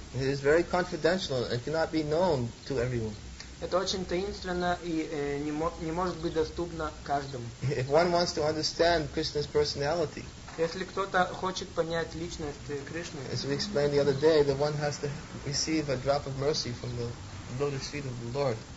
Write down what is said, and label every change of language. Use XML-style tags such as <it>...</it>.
<en>It is very confidential and cannot be known to everyone.</en> <ru>Это очень таинственно и не может быть доступно каждому.</ru> <en>If one wants to understand Krishna's personality,</en> <ru>если кто-то хочет понять личность Кришны,</ru> <en>as we explained the other day, that one has to receive a drop of mercy from the lotus feet of the Lord.</en>